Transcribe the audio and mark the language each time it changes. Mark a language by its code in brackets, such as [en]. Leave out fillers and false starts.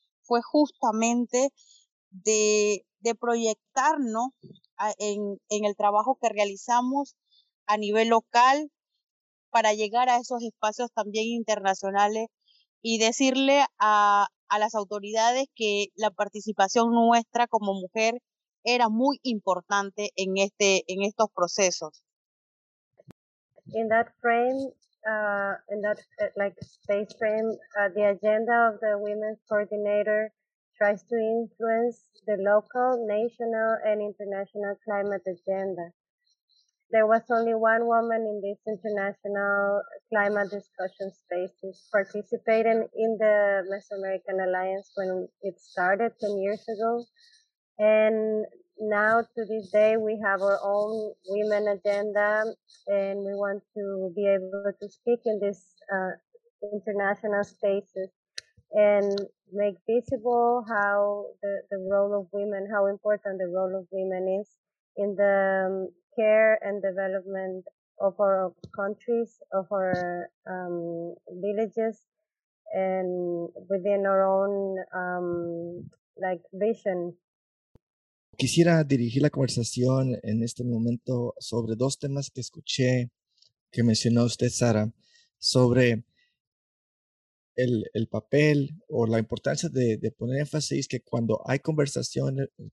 [es] Fue justamente de proyectarnos en el trabajo que realizamos a nivel local para llegar a esos espacios también internacionales y decirle a las autoridades que la participación nuestra como mujer era muy importante en estos procesos. [en] In that frame, in that like space frame, the agenda of the women's coordinator tries to influence the local, national, and international climate agenda. There was only one woman in this international climate discussion spaces participating in the Mesoamerican Alliance when it started 10 years ago. And now to this day, we have our own women agenda, and we want to be able to speak in this international spaces and make visible how the role of women, how important the role of women is in the care and development of our countries, of our villages, and within our own like vision. [es] Quisiera dirigir la conversación en este momento sobre dos temas que escuché que mencionó usted, Sara, sobre el papel o la importancia de poner énfasis que cuando hay conversaciones